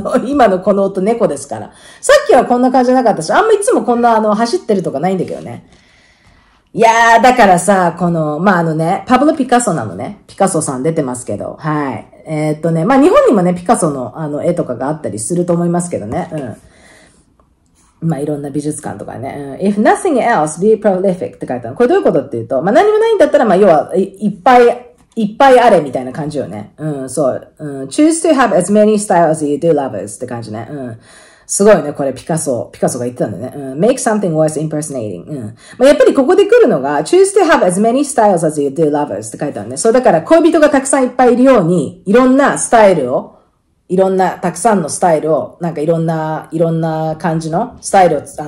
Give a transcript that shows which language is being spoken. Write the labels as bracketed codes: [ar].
[ja] 今のこの音猫ですから。さっきはこんな感じなかったし、あんまいつもこんな走ってるとかないんだけどね。いやー、だからさ、この、まあ、パブロ・ピカソなのね。ピカソさん出てますけど、はい。まあ、日本にもね、ピカソの絵とかがあったりすると思いますけどね。うん。まあ、いろんな美術館とかね。 [en] If nothing else, be prolific [ja] って書いてある。これどういうことっていうと、まあ、何もないんだったら、まあ、要は、いっぱいあれみたいな感じよね。うん、そう。うん、 [en] choose to have as many styles as you do lovers [ja] って感じね。うん。すごいね、これピカソが言ってたんだね。うん、 [en] make something worth impersonating。 [ja] うん。まあ、やっぱりここで来るのが、 [en] choose to have as many styles as you do lovers [ja] って書いてあるね。そう、だから恋人がたくさんいっぱいいるように、いろんなスタイルを、いろんな、たくさんのスタイルを、なんかいろんな感じのスタイルを、